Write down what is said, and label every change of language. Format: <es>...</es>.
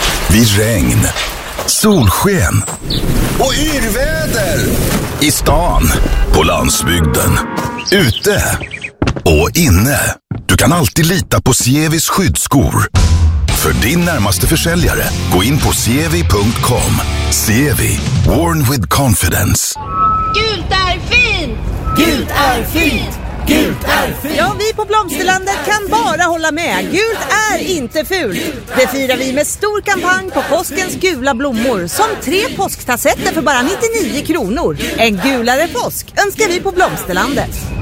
<sv>Vid regn, solsken och yrväder. I stan, på landsbygden, ute och inne. Du kan alltid lita på Sievis skyddsskor. För din närmaste försäljare, gå in på sievi.com.</sv> <en>Sievi, worn with confidence.</en> <sv>Gult är fint! Gult är fint! Gult är fint! Ja, vi på Blomsterlandet kan bara hålla med. Gult är inte ful. Det firar vi med stor kampanj på påskens gula blommor. Som tre påsktassetter för bara 99 kronor. En gulare påsk önskar vi på Blomsterlandet.</sv>